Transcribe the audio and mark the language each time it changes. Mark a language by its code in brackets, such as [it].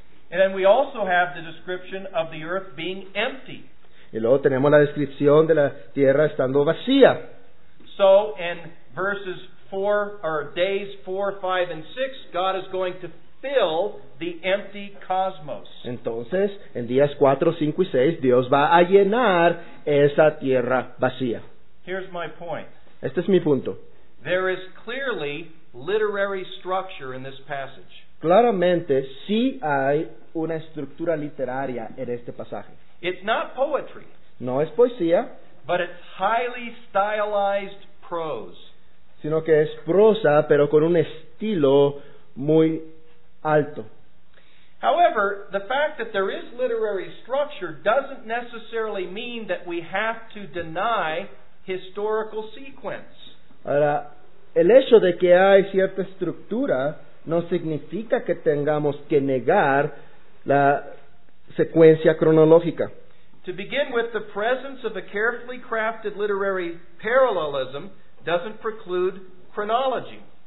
[en] And then we also have the description of the earth being empty. [es] Y luego tenemos la descripción de la tierra estando vacía. [en] So in verses 4 or days 4, 5 and 6 God is going to fill the empty cosmos. [es] Entonces, en días 4, 5 y 6 Dios va a llenar esa tierra vacía. [en] Here's my point. [es] Este es mi punto. [en] There is clearly literary structure in this passage. [es] Claramente sí hay una estructura literaria en este pasaje. [en] It's not poetry. [es] No es poesía, [en] but it's highly stylized prose. [es] Sino que es prosa, pero con un estilo muy alto. [en] However, the fact that there is literary structure doesn't necessarily mean that we have to deny historical sequence. [es] Ahora, el hecho de que hay cierta estructura no significa que tengamos que negar la secuencia cronológica. [en] To begin with, the presence of a carefully crafted literary parallelism doesn't preclude chronology.